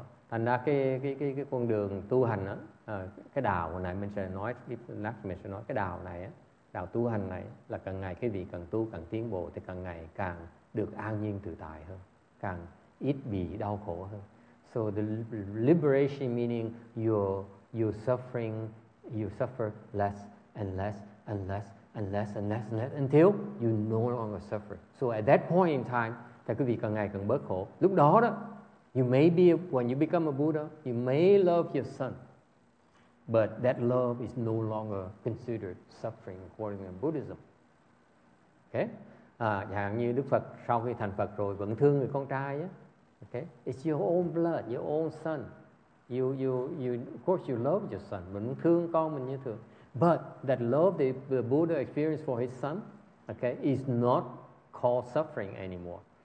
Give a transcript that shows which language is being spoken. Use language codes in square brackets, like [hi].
[vi] Thành ra cái con đường tu hành á, cái đạo này mình sẽ nói, lát mình sẽ nói cái đạo này á, đạo tu hành này là càng ngày cái vị càng tu càng tiến bộ thì càng ngày càng được an nhiên tự tại hơn, càng ít bị đau khổ hơn. [en] So the liberation meaning you suffer less and less until you no longer suffer. So at that point in time, [vi] thì cái vị càng ngày càng bớt khổ. Lúc đó đó, [en] when you become a Buddha, you may love your son, but that love is no longer considered suffering according to Buddhism. Okay? [vi] Dạng như Đức Phật sau khi thành Phật rồi vẫn thương người con trai á. Okay? [en] It's your own blood, your own son. You of course you love your son, [vi] vẫn thương con mình như thường. [en] But that love the Buddha experienced for his son, okay, is not called suffering anymore.